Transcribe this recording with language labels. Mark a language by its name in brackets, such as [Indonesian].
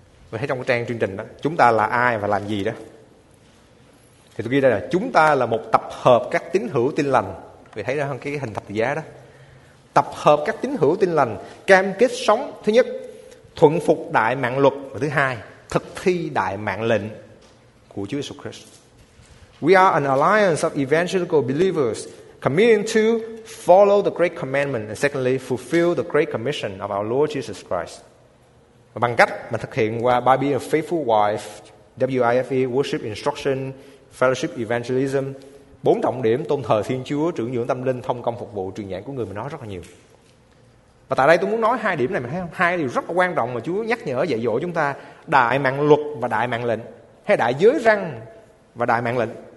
[Vietnamese] Mình thấy trong cái trang chương trình đó, chúng ta là ai và làm gì đó. Thì tôi ghi đây là: chúng ta là một tập hợp các tín hữu tin lành. Vì thấy đó không, cái hình thập giá đó. Tập hợp các tín hữu tin lành, cam kết sống, thứ nhất, thuận phục đại mạng luật, và thứ hai, thực thi đại mạng lệnh của Chúa Jesus Christ. [English] We are an alliance of evangelical believers committing to follow the great commandment and secondly fulfill the great commission of our Lord Jesus Christ. [Vietnamese] Và bằng cách mà thực hiện qua [English] by being a faithful wife, WIFE, worship instruction, fellowship evangelism, [Vietnamese] bốn trọng điểm tôn thờ Thiên Chúa, trưởng dưỡng tâm linh, thông công phục vụ, truyền giảng của người mình nói rất là nhiều. Và tại đây tôi muốn nói hai điểm này, mình thấy không? Hai điều rất là quan trọng mà Chúa nhắc nhở dạy dỗ chúng ta: đại mạng luật và đại mạng lệnh, hay đại giới răn và đại mạng lệnh.